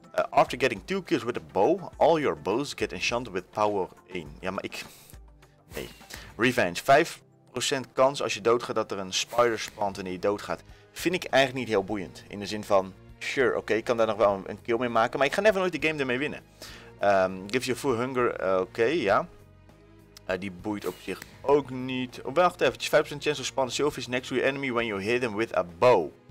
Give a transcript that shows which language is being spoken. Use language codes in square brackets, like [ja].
[en] After getting 2 kills with a bow, all your bows get enchanted with power 1. [nl] Ja, maar ik... Nee. Revenge. 5% kans als je doodgaat dat er een spider spant wanneer je doodgaat. Vind ik eigenlijk niet heel boeiend. In de zin van, sure, oké, ik kan daar nog wel een kill mee maken. Maar ik ga never nooit de game ermee winnen. [en] Gives you full hunger, [nl] oké, ja. Die boeit op zich ook niet. Oh, wacht even, [en] 5% chance of spawning silvers next to your enemy when you hit them with a bow.